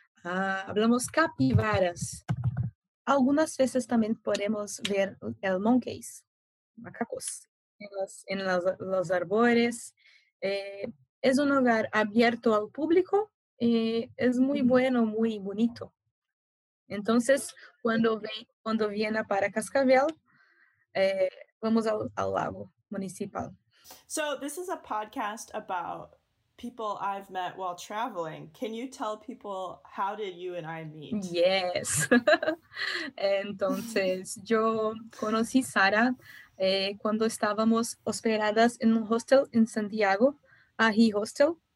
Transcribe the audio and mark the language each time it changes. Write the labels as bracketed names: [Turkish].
[Spanish] Hablamos capibaras. Algunas veces también podemos ver el monkeys, macacos, en los arbores. Es un hogar abierto al público y es muy bueno, muy bonito. Entonces, cuando viene para Cascabel, vamos al lago municipal. [English] So, this is a podcast about people I've met while traveling. Can you tell people how did you and I meet? Yes. [Spanish] Entonces, yo conocí Sara cuando estábamos hospedadas en un hostel en Santiago, Ahí Hostel.